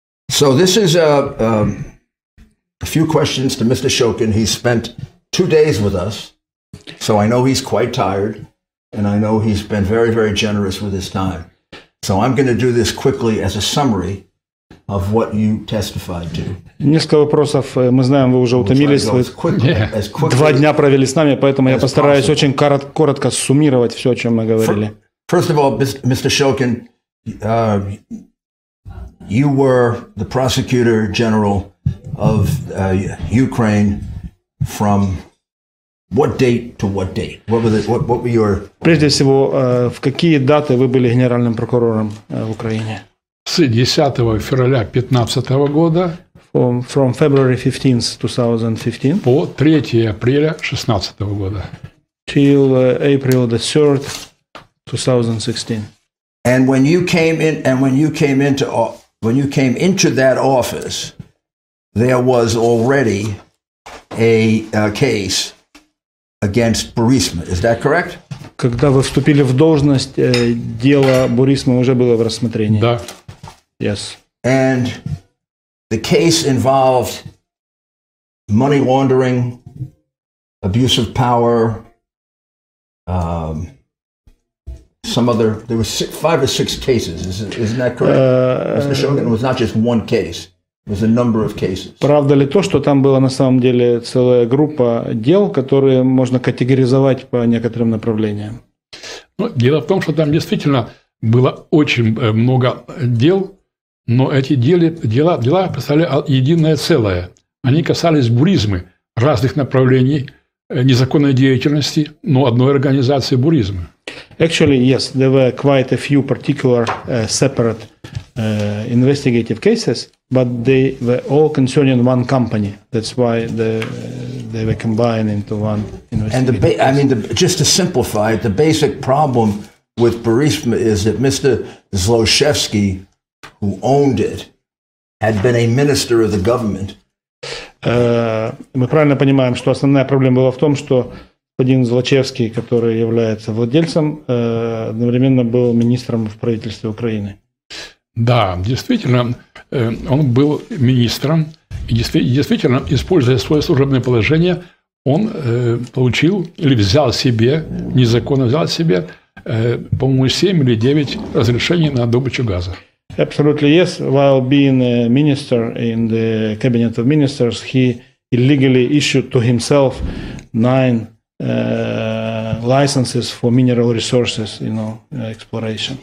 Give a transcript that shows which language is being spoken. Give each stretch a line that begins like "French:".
English: So this is a few questions to Mr. Shokin. He spent 2 days with us, so I know he's quite tired, and I know he's been very, very generous with his time. So I'm going to do this quickly as a summary of what you testified to.
Russian: Несколько вопросов. Мы знаем, вы уже утомились. Два дня провели с нами, поэтому я постараюсь очень коротко суммировать все, о чем мы говорили.
English: First of all, Mr. Shokin, you were the prosecutor general of Ukraine from what date to what date? What were your?
Russian: Прежде всего, в какие даты вы были генеральным прокурором в Украине? С 10 февраля 15 года.
English: From February 15th, 2015.
Russian: По 3 апреля 16 года.
English: Till April the 3rd, 2016. And when you came in, when you came into that office, there was already a case against Burisma. Is that correct?
Russian: Когда вы вступили в должность, дело Бурисмы уже было в рассмотрении. Да.
English: Yes. And the case involved money laundering, abuse of power, there were five or six cases. Isn't that correct? Mr. Shokin, it was not just one case. It was a number of cases.
Russian: Правда ли то, что там была на самом деле целая группа дел, которые можно категоризовать по некоторым направлениям? Ну, дело в том, что там действительно было очень много дел, но эти дела представляли единое целое. Они касались Буризмы, разных направлений незаконной деятельности, но одной организации Буризмы.
English: Actually, yes, there were quite a few particular separate investigative cases, but they were all concerning one company. That's why they were combined into one investigative and the just to simplify it, the basic problem with Burisma is that Mr. Zloshevsky, who owned it, had been a minister of the government.
Russian: Мы правильно понимаем, что основная проблема была в том, что господин Злочевский, который является владельцем, одновременно был министром в правительстве Украины. Да, действительно, он был министром, и действительно, используя свое служебное положение, он получил или взял себе, незаконно взял себе, по-моему, 7 или 9 разрешений на добычу газа.
English: Absolutely, yes. While being a minister in the cabinet of ministers, he illegally issued to himself 9 licenses for mineral resources, you know, exploration.